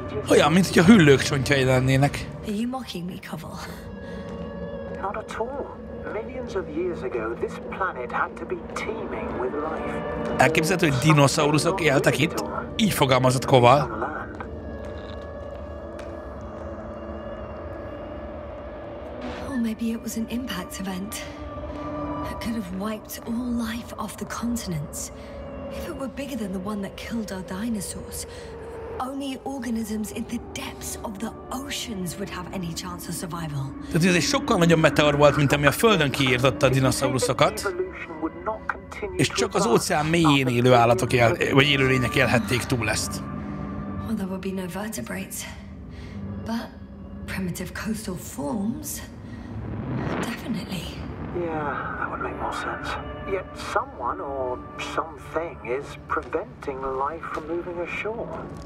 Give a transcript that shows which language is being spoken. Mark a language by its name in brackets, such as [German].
[Hungarian] Olyan, mint hogy a hüllők csontjai lennének. [English] Are you mocking me, Koval? Not at all. Millions of years ago, this planet had to be teeming with life. [Hungarian] Elképzelhető, hogy dinoszauruszok éltek itt? Így fogalmazott Koval. [English] Or maybe it was an impact event. It could have wiped all life off the continents. If it were bigger than the one that killed our dinosaurs, only organisms in the depths of the oceans would have any chance of survival. [Hungarian] Tehát ez egy sokkal nagyobb meteor volt, mint ami a Földön kiírtotta a dinoszauruszokat, és csak az óceán mélyén élő állatok vagy élőlények élhették túl ezt. [English] Well, there would be no vertebrates, but primitive coastal forms, definitely. Yeah, that would make more sense. Yet someone or something is preventing life from moving ashore.